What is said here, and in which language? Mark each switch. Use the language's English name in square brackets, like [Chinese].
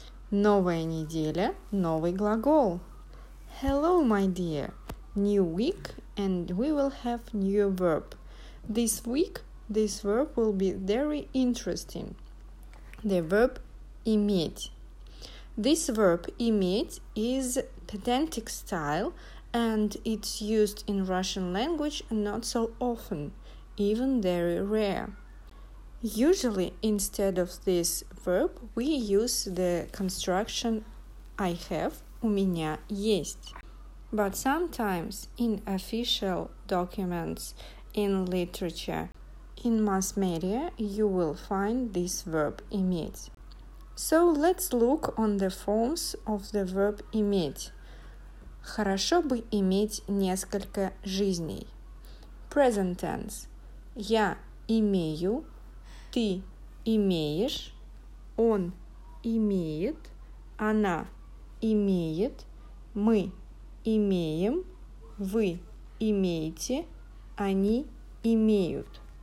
[Russian] Новая неделя, новый глагол. [English] Hello, my dear. New week and we will have new verb. This week, this verb will be very interesting. The verb иметь. This verb иметь is pedantic style and it's used in Russian language not so often, even very rare. Usually, instead of this verb, we use the construction I have, [Russian] у меня есть. [English] But sometimes in official documents, in literature, in mass media, you will find this verb иметь. So let's look on the forms of the verb иметь. [Russian] Хорошо бы иметь несколько жизней. [English] Present tense. [Russian] Я имею. Ты имеешь, он имеет, она имеет, мы имеем, вы имеете, они имеют.